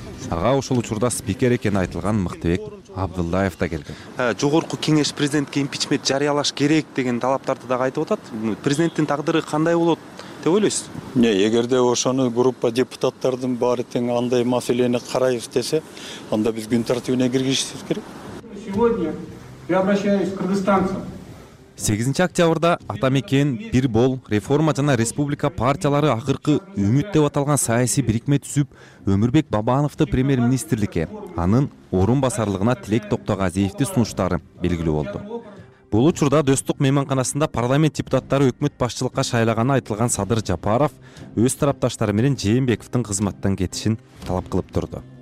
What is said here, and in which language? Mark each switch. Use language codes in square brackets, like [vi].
[ky] Ага ошол учурда спикер экени айтылган Мыктыбек Абдыллаев да келген. Жогорку кеңеш президентке импичмент жарыялаш керек деген талаптарды дагы айтып атат. Президенттин тагдыры кандай болот деп ойлойсуз? Эгерде ошону группа депутаттардын баары тең андай маселени карайбыз десе, анда биз күн тартибине киргизишибиз керек. [ru] Сегодня я обращаюсь к кыргызстанцам. [ky] 8 октябрда Атамекен, Бир Бол, Реформа жана Республика партиялары акыркы үмүт деп аталган саясий бирикме түзүп, Өмүрбек Бабановду премьер-министрликке, анын орун басарлыгына Тилек Токтогазиевди сунуштары белгилүү болду. Бул учурда Достук мейманканасында парламент депутаттары өкмөт башчылыкка шайлаганы айтылган Садыр Жапаров өз тарапташтары менен Жээнбековдун кызматтан кетишин талап кылып турду.